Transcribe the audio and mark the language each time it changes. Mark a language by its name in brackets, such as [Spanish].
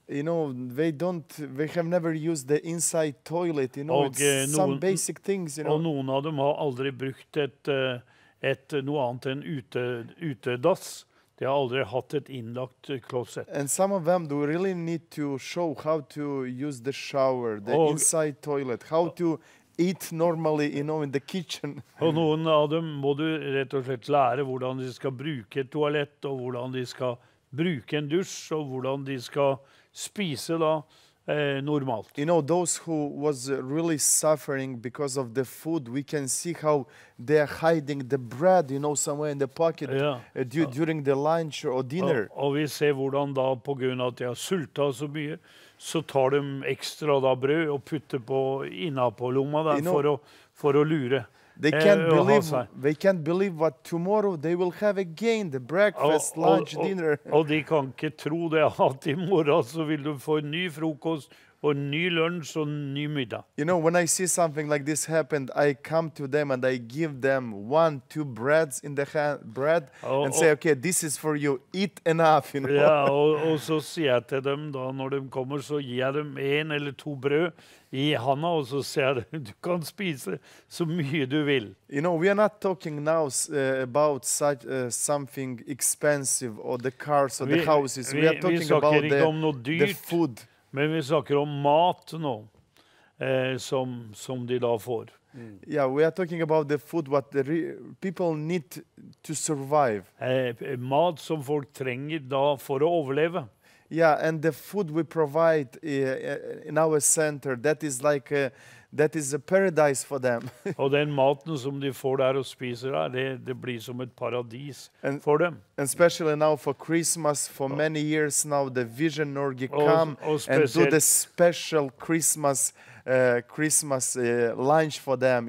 [English] You know, they have never used the inside toilet, you know, it's some basic things, you know. [Norwegian] Og noen av dem har aldri brukt et noe annet enn utedass. De har aldri hatt et innlagt klosett. [English] And some of them, they really need to show how to use the shower, the inside toilet, how to eat normally, you know, in the kitchen. [Norwegian] Og noen av dem må du rett og slett lære hvordan de skal bruke toalett og hvordan de skal bruke en dusj og hvordan de skal spise da normalt. [English] You know, those who was really suffering because of the food, we can see how they're hiding the bread, you know, somewhere in the pocket during the lunch or dinner. [Norwegian] Og vi ser hvordan da på grunn av at de har sulta så mye, så tar de ekstra da brød og putter på innapå lomma der, [English] you know, [Norwegian] for å lure. [English] They can't believe. They can't believe what tomorrow they will have again. The breakfast, lunch, dinner. [Norwegian] Og de kan ikke tro det at i morgen så vil du få en ny frokost Og ny lunsj og ny middag. [English] You know, when I see something like this happened, I come to them and I give them one, two breads in the hand, bread, and say, okay, this is for you. Eat enough, you know. [Norwegian] Ja, og så sier jeg til dem da, når de kommer, så gir jeg dem en eller to brød I handa, og så sier jeg, du kan spise så mye du vil. [English] You know, we are not talking now about such something expensive, or the cars, or the houses. We are talking about the food. [Norwegian] Men vi snakker om mat nå, som de da får. [English] Yeah, we are talking about the food, what the people need to survive. [Norwegian] Mat som folk trenger da for å overleve. [English] Yeah, and the food we provide in our center, that is like that is a paradise for them. [Norwegian] Og den maten som de får der og spiser der, det blir som et paradis for dem. [English] And especially now for Christmas, for many years now, the Vision Norge come and do the special Christmas lunch for them.